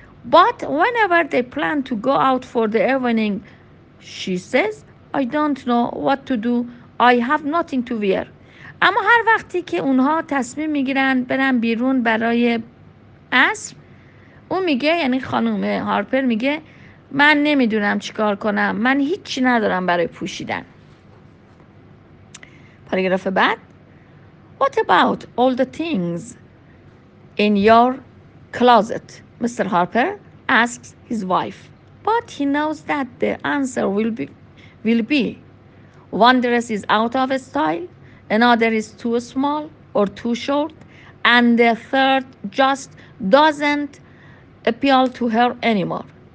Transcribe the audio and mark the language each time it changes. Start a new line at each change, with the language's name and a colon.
English: But whenever they plan to go out for the evening, she says, I don't know what to do. I have nothing to wear.
Persian: اما هر وقتی که اونها تصمیم میگیرن برن بیرون برای عصر، اون میگه، یعنی خانم هارپر میگه، من نمیدونم چیکار کنم، من هیچی ندارم برای پوشیدن. پاراگراف بعد.
English: What about all the things in your closet? Mr. Harper asks his wife. But he knows that the answer will be one dress is out of style, another is too small or too short, and the third just doesn't appeal to her anymore.